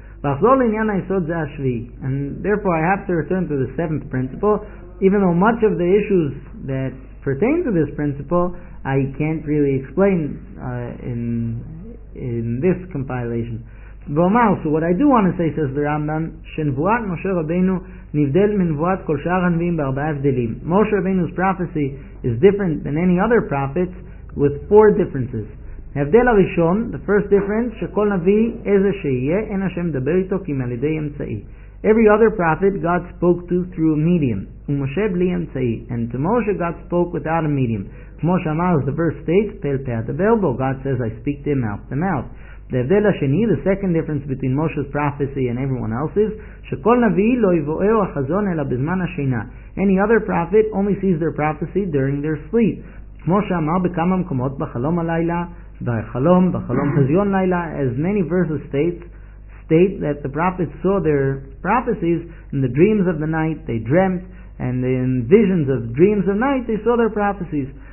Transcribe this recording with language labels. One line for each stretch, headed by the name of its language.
English: And therefore I have to return to the seventh principle, even though much of the issues that pertain to this principle I can't really explain in this compilation. So what I do want to say, says the Rambam,
Hebrew: שנבואת משה רבינו נבדל מנבואת כל שאר הנביאים בארבעה הבדלים.
English: Moshe Rabbeinu's prophecy is different than any other prophets with four differences.
Hebrew: ההבדל הראשון,
English: the first difference,
Hebrew: שכל נביא איזה שיהיה, אין השם דבר איתו כי על ידי אמצעי.
English: Every other prophet God spoke to through a medium,
Hebrew: ומשה בלי אמצעי,
English: and to Moshe God spoke without a medium.
Hebrew: כמו שאמר,
English: the verse states,
Hebrew: פה אל פה אדבר בו,
English: God says, I speak to him mouth to mouth.
Hebrew: ההבדל השני,
English: the second difference between Moshe's prophecy and everyone else's,
Hebrew: שכל נביא לא יבואו החזון אלא בזמן השינה.
English: Any other prophet only sees their prophecy during their sleep.
Hebrew: כמו שאמר בכמה מקומות בחלום הלילה, בחלום, בחלום חזיון לילה,
English: as many verses state that the prophets saw their prophecies in the dreams of the night, they dreamt, and in visions of dreams of night, they saw their prophecies.